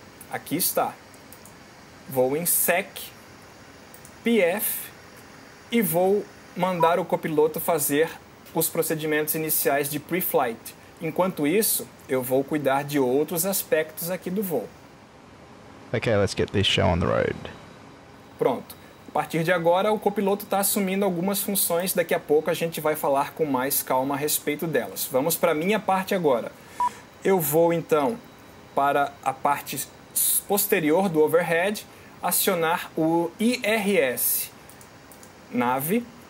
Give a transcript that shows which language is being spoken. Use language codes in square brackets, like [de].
[pt] Aqui está. Vou em SEC, PF, e vou mandar o copiloto fazer os procedimentos iniciais de pre-flight. Enquanto isso, eu vou cuidar de outros aspectos aqui do voo. [en] Okay, let's get this show on the road. [pt] Pronto. A partir de agora, o copiloto está assumindo algumas funções. Daqui a pouco a gente vai falar com mais calma a respeito delas. Vamos para a minha parte agora. Eu vou então para a parte posterior do overhead, acionar o IRS. Nave.